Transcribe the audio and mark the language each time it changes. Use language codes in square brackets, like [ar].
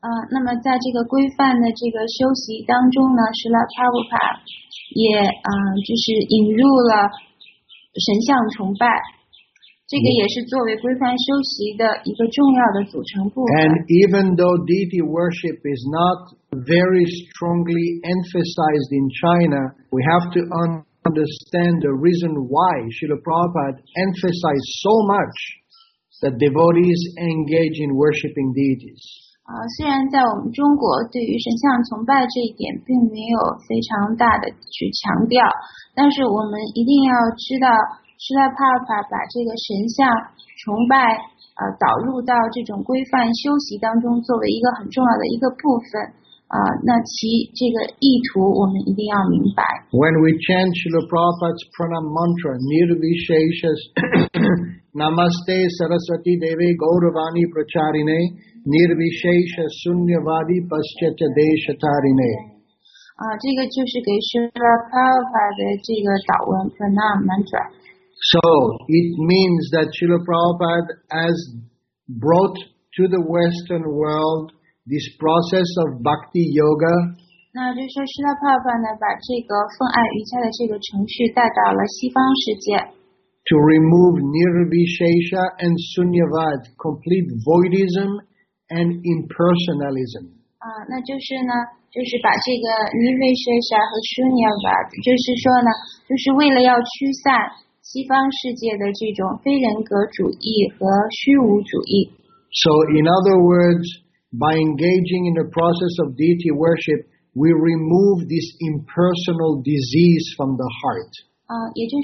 [zh] 那么在这个规范的这个修习当中呢，Srila Prabhupada也就是引入了神像崇拜，这个也是作为规范修习的一个重要的组成部分。 [en] And even though deity worship is not very strongly emphasized in China, we have to understand the reason why Srila Prabhupada emphasized so much that devotees engage in worshiping deities. [zh] 虽然在我们中国对于神像崇拜这一点并没有非常大的去强调，但是我们一定要知道，释迦牟尼佛把这个神像崇拜导入到这种规范修习当中作为一个很重要的一个部分，那其这个意图我们一定要明白。 [en] When we chant Srila Prabhupada's pranam mantra, [sa] nirvisheshas namaste saraswati devi gauravani pracharine,Nirvishesha Sunyavadi Paschacha Deshatarine. [zh] 这个就是给Srila Prabhupada的这个导文 Pranam Mantra. [en] So it means that Srila Prabhupada has brought to the Western world this process of Bhakti Yoga. [zh] 那就是Srila Prabhupada呢，把这个奉爱瑜伽的这个程序带到了西方世界。 [en] to remove nirvishesha and sunyavad, complete voidism and impersonalism. [zh] 那就是呢，就是把这个nirvishesha和sunyavad，就是说呢，就是为了要驱散西方世界的这种非人格主义和虚无主义。 [en] So in other words, by engaging in the process of deity worship, we remove this impersonal disease from the heart.